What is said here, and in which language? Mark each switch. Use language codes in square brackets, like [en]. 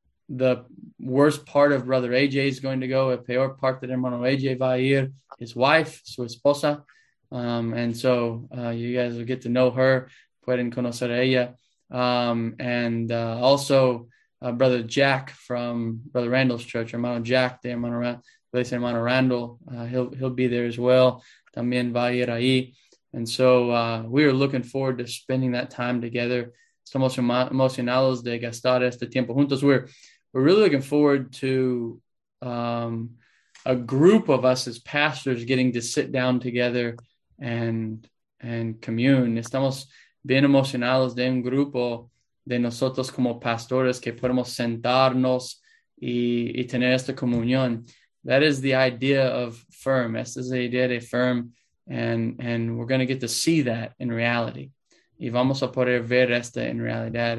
[en] The worst part of Brother AJ is going to go. [es] El peor parte de hermano AJ va a ir. [en] His wife, [es] su esposa. [en] And so you guys will get to know her. [es] Pueden conocer a ella. [en] And also Brother Jack from Brother Randall's church. [es] Hermano Jack de hermano Randall. [en] He'll be there as well. [es] También va a ir ahí. [en] And so we are looking forward to spending that time together. [es] Estamos emocionados de gastar este tiempo juntos. [en] We're really looking forward to a group of us as pastors getting to sit down together and commune. [es] Estamos bien emocionados de un grupo de nosotros como pastores que podemos sentarnos y tener esta comunión. [en] That is the idea of FIRM. [es] Esta es la idea de FIRM. [en] And we're going to get to see that in reality. [es] Y vamos a poder ver esta en realidad.